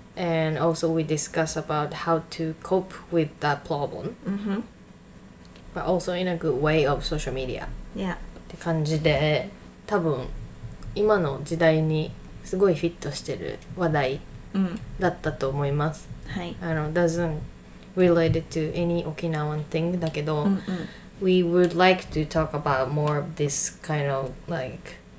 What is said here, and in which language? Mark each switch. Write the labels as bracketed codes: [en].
[en] and also we discuss about how to cope with that problem、 mm-hmm. but also in a good way of social media、 yeah. [ja] って感じで、多分今の時代にすごいフィットしてる話題だったと思います。はい。 [en] Doesn't related to any Okinawan thing だけど、 [ja] うんうん、 [en] we would like to talk about more of this kind of like